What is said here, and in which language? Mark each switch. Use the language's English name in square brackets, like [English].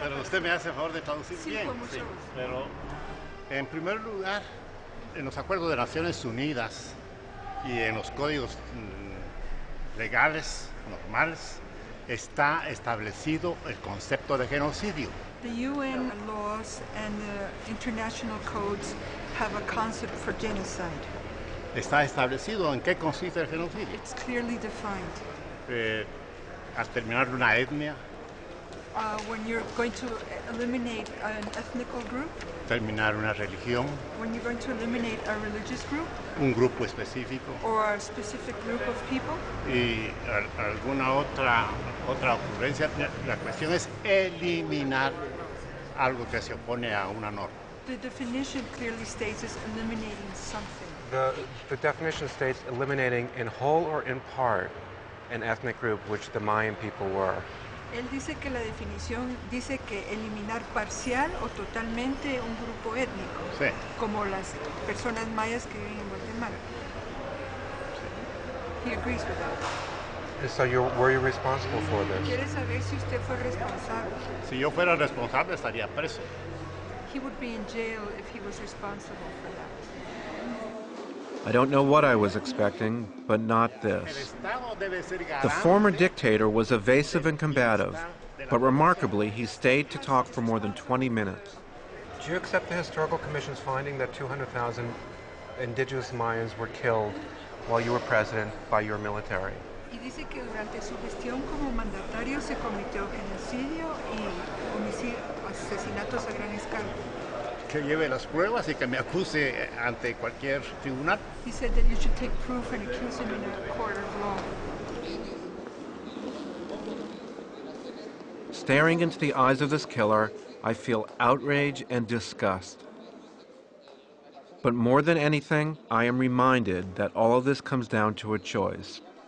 [Spanish] Pero usted me hace el favor de traducir sí, bien. Con mucho gusto. Sí, pero en primer lugar, en los acuerdos de Naciones Unidas y en los códigos legales normales está establecido el concepto de genocidio. [English] The UN laws and the international codes have a concept for genocide. [Spanish] ¿Está establecido en qué consiste el genocidio? [English] It's clearly defined. [Spanish] ¿Exterminar una etnia? [English] When you're going to eliminate an ethnic group. [Spanish] ¿Terminar una religión? [English] When you're going to eliminate a religious group. [Spanish] ¿Un grupo específico? [English] Or a specific group of people. [Spanish] ¿Y alguna otra ocurrencia? La cuestión es eliminar algo que se opone a una norma. [English] The definition clearly states is eliminating something. The definition states eliminating in whole or in part an ethnic group, which the Mayan people were. [Spanish] Él dice que la definición dice que eliminar parcial o totalmente un grupo étnico, sí. Como las personas mayas que viven en Guatemala. [English] He agrees with that. So were you responsible for this? [Spanish] ¿Quiere saber si usted fue responsable? Si yo fuera responsable, estaría preso. [English] He would be in jail if he was responsible for that. I don't know what I was expecting, but not this. The former dictator was evasive and combative, but remarkably, he stayed to talk for more than 20 minutes. Do you accept the Historical Commission's finding that 200,000 indigenous Mayans were killed while you were president by your military? [Spanish] Y dice que durante su gestión como mandatario se cometió genocidio y asesinatos a gran escala. Que lleve las pruebas y que me acuse ante cualquier tribunal. [English] He said that you should take proof and accuse him in a court of law. Staring into the eyes of this killer, I feel outrage and disgust. But more than anything, I am reminded that all of this comes down to a choice.